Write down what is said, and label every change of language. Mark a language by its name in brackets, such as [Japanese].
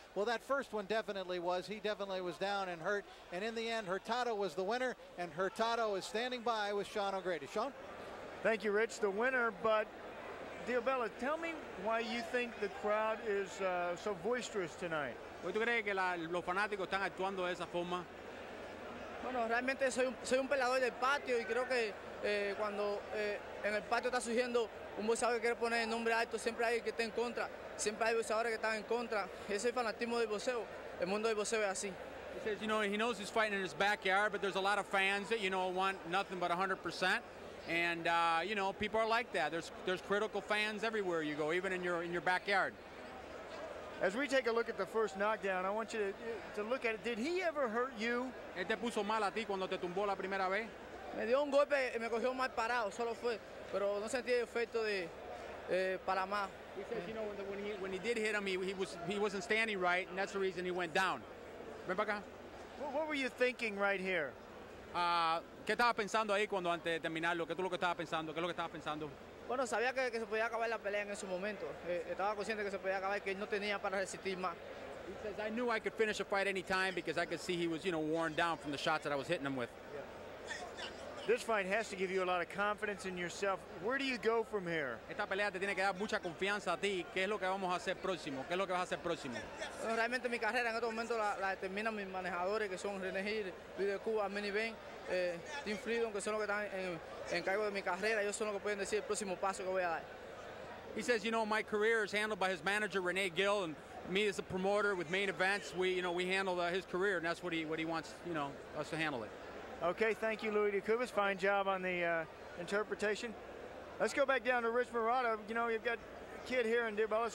[English] Well, that first one definitely was. He definitely was down and hurt. And in the end, Hurtado was the winner, and Hurtado is standing by with Sean O'Grady. Sean? Thank you, Rich, the winner. But Diosbelys, tell me why you think the crowd is so boisterous tonight. [Spanish] ¿Tú crees que los fanáticos están actuando de esa forma? Bueno, realmente soy un peleador del patio y creo que cuando en el patio está surgiendo un boxeador que quiere poner el nombre alto, siempre hay que está en contra. Siempre hay boxeadores que están en contra. Ese es el fanatismo del boxeo. El mundo del boxeo es así. [English] He says, you know, he knows he's fighting in his backyard, but there's a lot of fans that, you know, want nothing but 100%. And, you know, people are like that. There's critical fans everywhere you go, even in your backyard. As we take a look at the first knockdown, I want you to look at it. Did he ever hurt you? [Spanish] Él te puso mal a ti cuando te tumbó la primera vez. Me dio un golpe y me cogió mal parado. Solo fue, pero no sentí el efecto de para más. [English] He says, you know, when he did hit him, he wasn't standing right, and that's the reason he went down. [Spanish] Ven para acá. [English] What were you thinking right here? [Spanish] ¿Qué estaba pensando ahí cuando antes de terminarlo? ¿Qué tú lo que estaba pensando? ¿Qué es lo que estaba pensando? Bueno, sabía que se podía acabar la pelea en ese momento. Estaba consciente que se podía acabar, que él no tenía para resistir más. [English] He says, I knew I could finish a fight anytime because I could see he was, you know, worn down from the shots that I was hitting him with. Yeah. This fight has to give you a lot of confidence in yourself. Where do you go from here? [Spanish] Esta pelea te tiene que dar mucha confianza a ti. ¿Qué es lo que vamos a hacer próximo? ¿Qué es lo que vas a hacer próximo? Bueno, realmente mi carrera en este momento la determinan mis manejadores, que son René Gil, Luis de Cuba, Mini Ben. Team Freedom, que son los que están en cargo de mi carrera, ellos son los que pueden decir el próximo paso que voy a dar. [English] He says, you know, my career is handled by his manager, René Gil, and me as a promoter with Main Events, we handle his career, and that's what he wants, you know, us to handle it. Okay, thank you, Louis DeCubas. Fine job on the interpretation. Let's go back down to Rich Marotta. You know, you've got a kid here in Diosbelys.